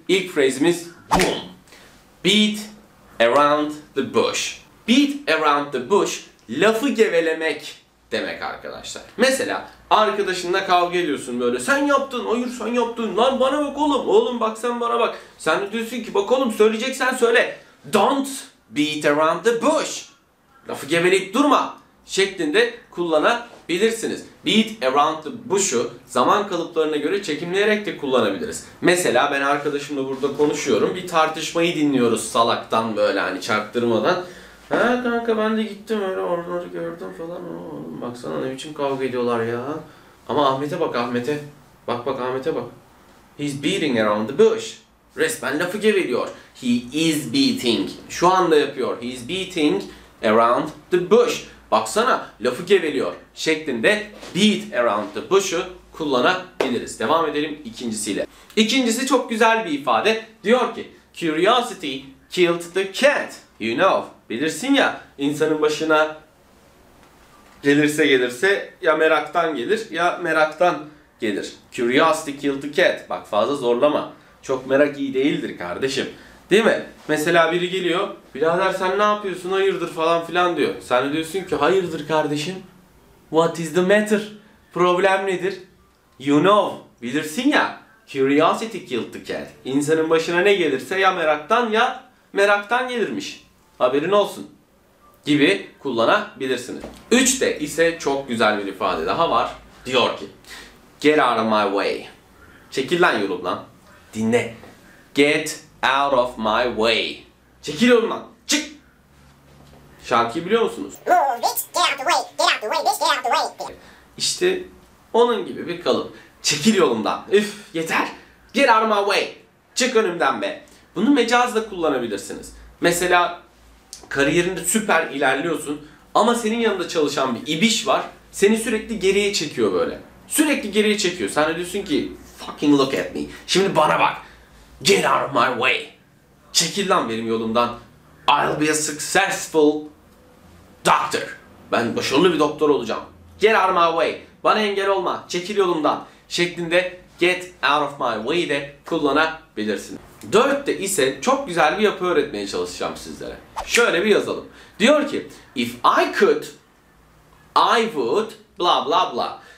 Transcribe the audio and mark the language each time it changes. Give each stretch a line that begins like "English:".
Turkish: İlk phrase'imiz
English: boom. Beat around the bush. Beat around the bush,
Turkish: lafı gevelemek demek arkadaşlar. Mesela arkadaşınla kavga ediyorsun böyle. Sen yaptın, hayır sen yaptın. Lan bana bak oğlum. Oğlum bak sen bana bak. Sen de diyorsun ki bak oğlum söyleyeceksen söyle.
English: Don't beat around the bush.
Turkish: Lafı geveleyip durma şeklinde kullanabilirsiniz.
English: Beat around the bush'u
Turkish: zaman kalıplarına göre çekimleyerek de kullanabiliriz. Mesela ben arkadaşımla burada konuşuyorum. Bir tartışmayı dinliyoruz salaktan böyle hani çarptırmadan. He kanka ben de gittim öyle oraları gördüm falan. Oğlum baksana ne biçim kavga ediyorlar ya. Ama Ahmet'e bak Ahmet'e. Bak bak Ahmet'e bak.
English: He's beating around the bush.
Turkish: Resmen lafı geveliyor.
English: He is beating.
Turkish: Şu anda yapıyor.
English: He's beating around the bush.
Turkish: Baksana lafı geveliyor şeklinde beat around the bush'u kullanabiliriz. Devam edelim ikincisiyle. İkincisi çok güzel bir ifade. Diyor ki
English: curiosity killed the cat. You know,
Turkish: bilirsin ya insanın başına gelirse gelirse ya meraktan gelir ya meraktan gelir.
English: Curiosity killed the cat.
Turkish: Bak fazla zorlama. Çok merak iyi değildir kardeşim. Değil mi? Mesela biri geliyor, birader sen ne yapıyorsun hayırdır falan filan diyor. Sen de diyorsun ki hayırdır kardeşim?
English: What is the matter?
Turkish: Problem nedir?
English: You know,
Turkish: bilirsin ya.
English: Curiosity killed the cat.
Turkish: İnsanın başına ne gelirse ya meraktan ya meraktan gelirmiş. Haberin olsun. Gibi kullanabilirsiniz. Üçte ise çok güzel bir ifade daha var. Diyor ki,
English: get out of my way.
Turkish: Çekil lan yolum lan. Dinle.
English: Get out of my way.
Turkish: Çekil oğlum lan. Çık. Şarkıyı biliyor musunuz?
English: Move it, get out the way. Get out the way, bitch, get out the way.
Turkish: İşte onun gibi bir kalıp. Çekil yolumdan. Üf, yeter.
English: Get out of my way.
Turkish: Çık önümden be. Bunu mecazla kullanabilirsiniz. Mesela kariyerinde süper ilerliyorsun ama senin yanında çalışan bir ibiş var. Seni sürekli geriye çekiyor böyle. Sürekli geriye çekiyor. Sen de diyorsun ki
English: fucking look at me.
Turkish: Şimdi bana bak.
English: Get out of my way.
Turkish: Çekil lan benim yolumdan.
English: I'll be a successful doctor.
Turkish: Ben başarılı bir doktor olacağım.
English: Get out of my way.
Turkish: Bana engel olma. Çekil yolumdan. Şeklinde get out of my way de kullanabilirsin. Dörtte ise çok güzel bir yapı öğretmeye çalışacağım sizlere. Şöyle bir yazalım. Diyor ki
English: if I could, I would, blah blah blah.